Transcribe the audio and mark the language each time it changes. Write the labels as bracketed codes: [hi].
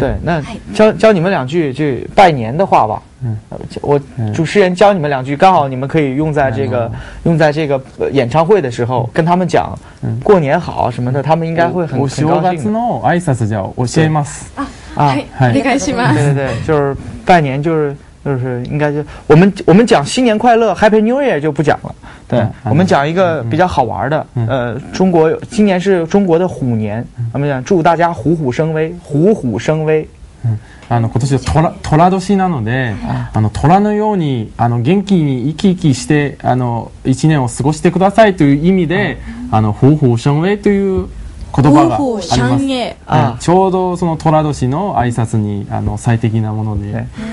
[zh] 对，那教你们两句就拜年的话吧。我主持人教你们两句，刚好你们可以用在这个演唱会的时候跟他们讲过年好什么的，他们应该会很高兴。 [ja] お正月の挨拶じゃ教えます。啊，はい、お願いします。 [zh] 对对对，就是拜年，就是应该就我们讲新年快乐 ， [en] Happy New Year [zh] 就不讲了。对，我们讲一个比较好玩的。中国今年是中国的虎年，我们讲祝大家虎虎生威，虎虎生威。 [ja] あの今年はトラ年なので、あのトラのようにあの元気に生き生きしてあの一年を過ごしてくださいという意味で、あの虎虎生威という言葉があります。ちょうどそのトラ年の挨拶にあの最適なもので、